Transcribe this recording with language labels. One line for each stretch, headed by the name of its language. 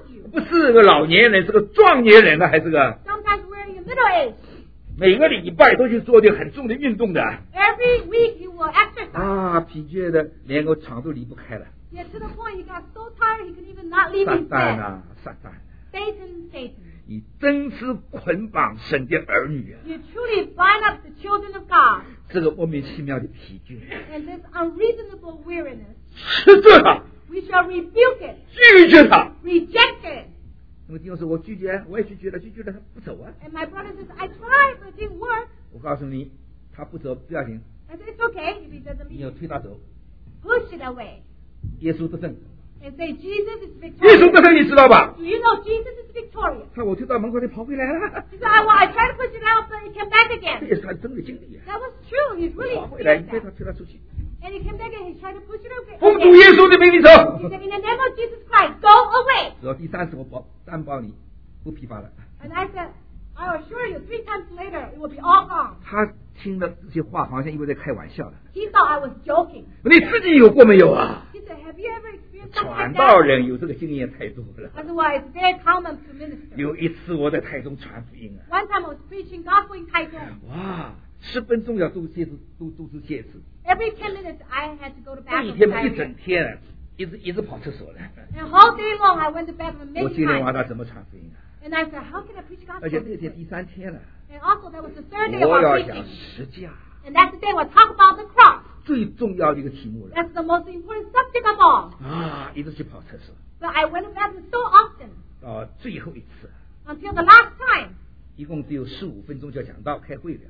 Chinese: 不是个老年人，是个壮年人呢，还是个？
English: Sometimes we're in your middle age.
Chinese: 每个礼拜都去做点很重的运动的。
English: Every week you will exercise.
Chinese: 啊，疲倦的连个床都离不开了。
English: Yeah, to the point he got so tired he could even not leave his bed.
Chinese: 撒旦啊，撒旦。
English: Satan, Satan.
Chinese: 你真是捆绑神的儿女啊！
English: You truly bind up the children of God.
Chinese: 这个莫名其妙的疲倦。
English: And this unreasonable weariness.
Chinese: 斥责他。
English: We shall rebuke it.
Chinese: 拒绝他。
English: Reject it.
Chinese: 那么弟兄说，我拒绝，我也拒绝了，拒绝了，他不走啊。
English: And my brother says, I tried, but it didn't work.
Chinese: 我告诉你，他不走不要紧。
English: I said it's okay if he doesn't leave.
Chinese: 你要推他走。
English: Push it away.
Chinese: 耶稣得胜。
English: And say, Jesus is victorious.
Chinese: 耶稣得胜，你知道吧？
English: Do you know Jesus is victorious?
Chinese: 看我推到门口，你跑回来了。
English: He said, I tried to push it out, but it came back again.
Chinese: 这也是他真的经历。
English: That was true. He's really.
Chinese: 跑回来，你带他推他出去。
English: And he came back and he tried to push it out.
Chinese: 奉主耶稣的名义走。
English: He said, In the name of Jesus Christ, go away.
Chinese: 只要第三次，我保担保你不疲乏了。
English: And I said, I assure you, three times later, it will be all gone.
Chinese: 他听了这些话，好像以为在开玩笑的。
English: He thought I was joking.
Chinese: 你自己有过没有啊？传道人有这个经验太多了。
English: Otherwise, very common to minister.
Chinese: 有一次我在台中传福音啊。
English: One time I was preaching gospel in 台中。
Chinese: 哇，十分钟要肚子泻子。
English: Every 10 minutes I had to go to the bathroom.
Chinese: 一天一整天一直跑厕所的。
English: And all day long I went to the bathroom many times.
Chinese: 我今天晚上怎么传福音啊？
English: And I said, how can I preach gospel?
Chinese: 而且那天第三天了。
English: And also that was the third day of our preaching.
Chinese: 我要讲十字架。
English: And that's the day we talk about the cross.
Chinese: 最重要的一个题目了。
English: That's the most important subject of all.
Chinese: 啊，一直去跑厕所。
English: But I went to the bathroom so often.
Chinese: 啊，最后一次。
English: Until the last time.
Chinese: 一共只有15分钟就要讲到开会了。